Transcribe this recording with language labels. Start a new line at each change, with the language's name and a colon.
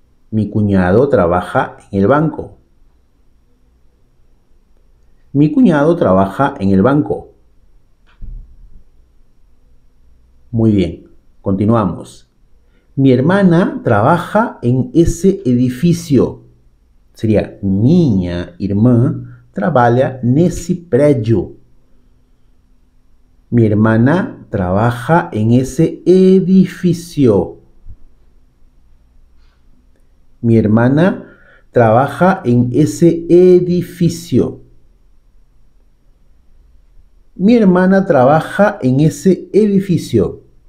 Spanish: Mi cuñado trabaja en el banco. Mi cuñado trabaja en el banco. Muy bien, continuamos. Mi hermana trabaja en ese edificio. Sería,
Portuguese: miña irmã trabalha nesse prédio.
Spanish: Mi hermana trabaja en ese edificio. Mi hermana trabaja en ese edificio. Mi hermana trabaja en ese edificio.